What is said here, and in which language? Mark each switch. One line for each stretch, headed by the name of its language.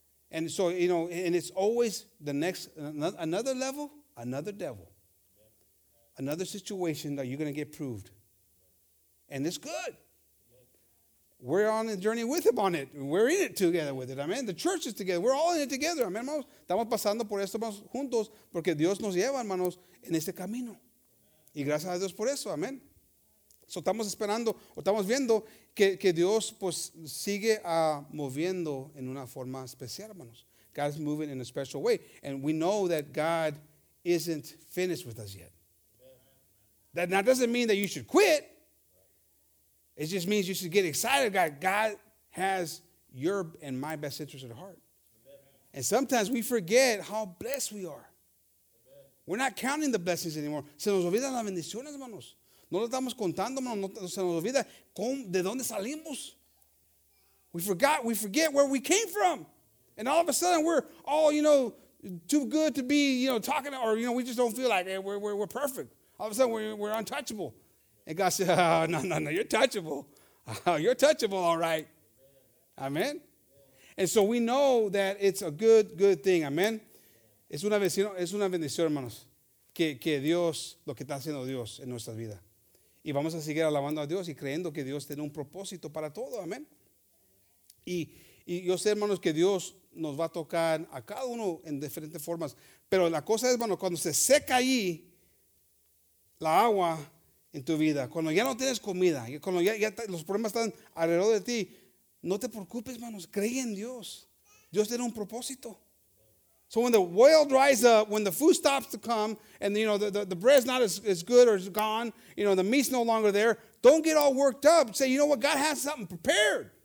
English: And so, you know, and it's always the next, another level, another devil, another situation that you're going to get proved. And it's good. We're on a journey with him on it. We're in it together with it. Amen. The church is together. We're all in it together. Amen, hermanos.
Spanish: Estamos pasando por esto, hermanos, juntos, porque Dios nos lleva, hermanos, en este camino. Y gracias a Dios por eso. Amen. So estamos esperando, o estamos viendo que Dios, pues, sigue moviendo en una forma especial, hermanos.
English: God is moving in a special way. And we know that God isn't finished with us yet. That doesn't mean that you should quit. It just means you should get excited. God has your and my best interest at heart. And sometimes we forget how blessed we are. We're not counting the blessings anymore.
Spanish: Se nos olvidan las bendiciones, hermanos. No lo estamos contando, hermanos. Se nos olvida de dónde salimos.
English: We forget where we came from. And all of a sudden we're all, you know, too good to be, you know, talking, or, you know, we just don't feel like it. We're perfect. All of a sudden we're untouchable. And God said, oh, no, you're touchable. You're touchable, all right. Amen. Amen. And so we know that it's a good thing. Amen.
Spanish: Es una bendición, hermanos, que Dios, lo que está haciendo Dios en nuestras vidas. Y vamos a seguir alabando a Dios y creyendo que Dios tiene un propósito para todo. Amén. Y yo sé, hermanos, que Dios nos va a tocar a cada uno en diferentes formas. Pero la cosa es, hermano, cuando se seca allí la agua en tu vida, cuando ya no tienes comida, cuando ya los problemas están alrededor de ti, no te preocupes, hermanos, cree en Dios. Dios tiene un propósito.
English: So when the well dries up, when the food stops to come, and, you know, the bread's not as good or it's gone, you know, the meat's no longer there, don't get all worked up. Say, you know what, God has something prepared.